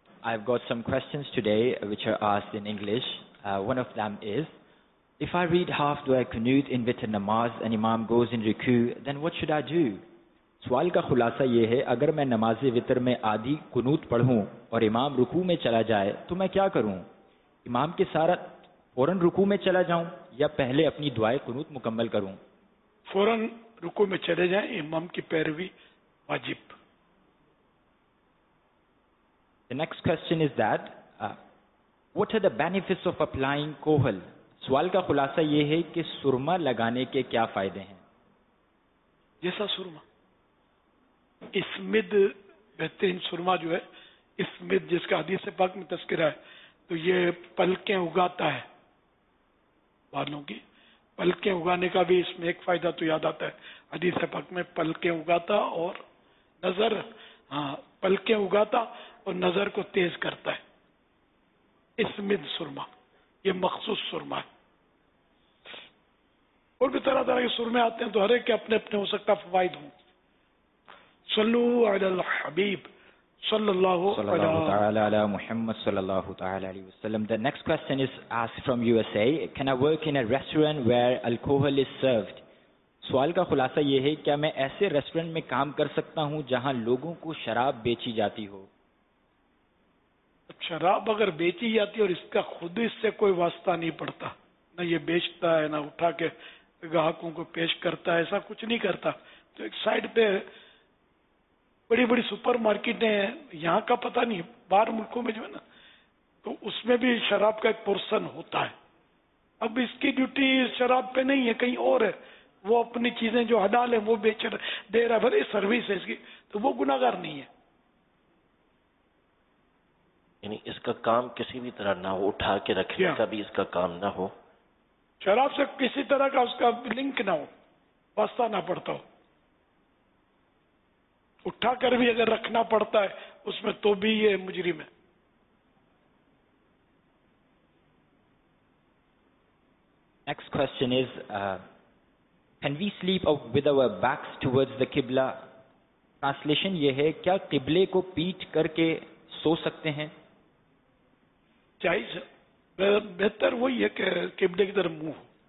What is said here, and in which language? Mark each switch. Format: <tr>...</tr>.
<en>I've got some questions today which are asked in English. One of them is, if I read half dua kunut in witr namaz and imam goes in ruku, then what should I do?</en> <ur>سوال کا خلاصہ یہ ہے, اگر میں نماز وتر میں آدھی کنوت پڑھوں اور امام رکوع میں چلا جائے تو میں کیا کروں؟ امام کے ساتھ فوراً رکوع میں چلا جاؤں یا پہلے اپنی دعائے کنوت مکمل کروں؟ فوراً رکوع میں چلے جائیں, امام کی پیروی واجب.</ur> <en>The next question is that, what are the benefits of applying kohal?</en> <ur>سوال کا خلاصہ یہ ہے کہ سرما لگانے کے کیا فائدے ہیں؟ جیسا سرما اسمد, بہترین سرما جو ہے اسمد جس کا حدیث پاک میں تذکرہ ہے, تو یہ پلکیں اگاتا ہے, بالوں کی پلکیں اگانے کا بھی اس میں ایک فائدہ تو یاد آتا ہے. حدیث پاک میں پلکیں اگاتا اور نظر, ہاں پلکیں اگاتا اور نظر کو تیز کرتا ہے اسمد سرما, یہ مخصوص سرما ہے. اور بھی طرح طرح کے سرمے آتے ہیں, تو ہر ایک کے اپنے اپنے ہو سکتا فوائد ہوں.</ur> <ar>صلو علی الحبیب صلی اللہ تعالی علی محمد صلی اللہ تعالی علیہ وسلم.</ar> <en>The next question is asked from USA. Can I work in a restaurant where alcohol is served?</en> <ur>سوال کا خلاصہ یہ ہے, کیا میں ایسے ریسٹورنٹ میں کام کر سکتا ہوں جہاں لوگوں کو شراب بیچی جاتی ہو؟ شراب اگر بیچی جاتی ہے اور اس کا خود اس سے کوئی واسطہ نہیں پڑتا, نہ یہ بیچتا ہے نہ اٹھا کے گاہکوں کو پیش کرتا ہے, ایسا کچھ نہیں کرتا, تو ایک سائڈ پہ بڑی بڑی سپر مارکیٹیں ہیں, یہاں کا پتہ نہیں باہر ملکوں میں جو ہے نا, تو اس میں بھی شراب کا ایک پورشن ہوتا ہے. اب اس کی ڈیوٹی شراب پہ نہیں ہے, کہیں اور ہے, وہ اپنی چیزیں جو حلال ہیں وہ بیچ رہا, دے رہا ہے, بھلے سروس ہے اس کی, تو وہ گناہگار نہیں ہے. یعنی اس کا کام کسی بھی طرح نہ ہو, اٹھا کے رکھنے کا بھی اس کا کام نہ ہو, شراب سے کسی طرح کا اس کا لنک نہ ہو, بستا نہ پڑتا ہو، اٹھا کر بھی اگر رکھنا پڑتا ہے اس میں تو بھی یہ مجرم ہے.</ur> <en>Next question is, can we sleep with our backs towards the Qibla?</en> <ur>Translation یہ ہے کیا قبلے کو پیٹھ کر کے سو سکتے ہیں؟ جائز، بہتر وہی ہے کہ قبلے کی طرف منہ.</ur>